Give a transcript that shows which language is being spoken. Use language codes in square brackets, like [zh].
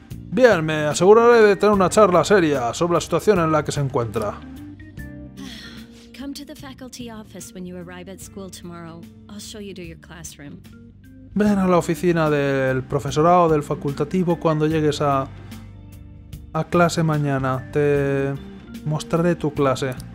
[es] Bien, me aseguraré de tener una charla seria sobre la situación en la que se encuentra. [en] Come to the faculty office when you arrive at school tomorrow. I'll show you to your classroom. [es] Ven a la oficina del profesorado del facultativo cuando llegues a clase mañana. Te mostraré tu clase.